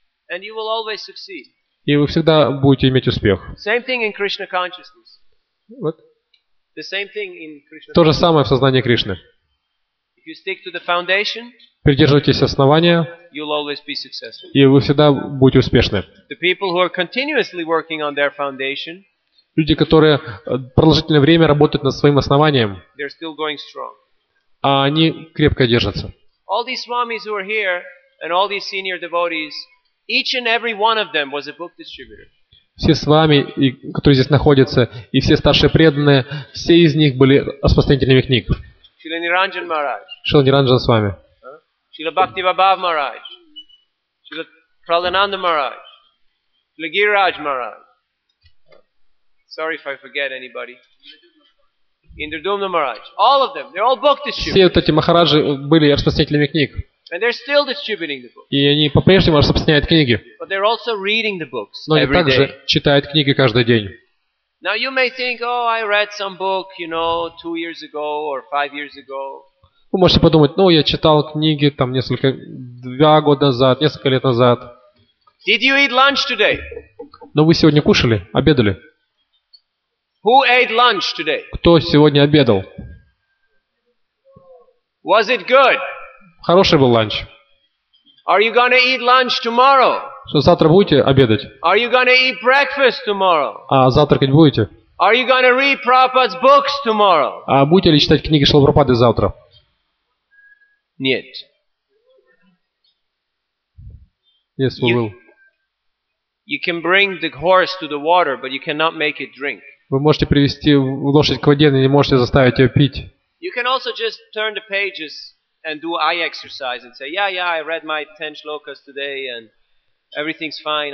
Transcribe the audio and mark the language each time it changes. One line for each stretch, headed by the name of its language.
English: And you will always succeed.
Russian: И вы всегда будете иметь успех.
English: Same thing in Krishna consciousness. What? The same thing in Krishna.
Russian: То же самое в сознании Кришны.
English: If you stick to the foundation,
Russian: придерживайтесь основания,
English: you'll always be successful.
Russian: И вы всегда будете успешны.
English: The people who are continuously working on their foundation,
Russian: люди, которые продолжительное время работают над своим основанием,
English: they're still going strong.
Russian: А они крепко держатся.
English: All these swamis who are here and all these senior devotees, each and every one of them was a book distributor.
Russian: Все с вами, и, которые здесь находятся, и все старшие преданные, все из них были распространителями книг. Шрила Ниранджан Махарадж. Шрила Ниранджан с вами. Шрила Бхакти Вайбав Махарадж. Шрила Пралананда Махарадж.
English: Шрила Гирирадж Махарадж. Sorry if I forget anybody. Индрадумна Махарадж. All of them. They're all book distributors.
Russian: Все вот эти махараджи были распространителями книг.
English: And they're still distributing the books.
Russian: И они по-прежнему распространяют книги.
English: But they're also reading the books every day.
Russian: Но они также читают книги каждый день.
English: Now you may think, oh, I read some book, you know, 2 years ago or 5 years ago.
Russian: Вы можете подумать, ну, я читал книги там несколько, 2 года назад, несколько лет назад.
English: Did you eat lunch today?
Russian: Но вы сегодня кушали, обедали.
English: Who ate lunch today?
Russian: Кто сегодня обедал?
English: Was it good?
Russian: Хороший был ланч.
English: Are you gonna eat lunch tomorrow?
Russian: Что завтра будете обедать?
English: Are you gonna eat breakfast tomorrow?
Russian: А завтракать будете?
English: Are you gonna read Prabhupada's books tomorrow?
Russian: А будете ли читать книги Шрилы Прабхупады завтра? Нет.
English: Yes, we will. You can bring the horse to the water, but you cannot make it drink.
Russian: Вы можете привести лошадь к воде, но не можете заставить ее пить.
English: You can also just turn the pages and do eye exercise and say, yeah, I read my 10 shlokas today and everything's fine.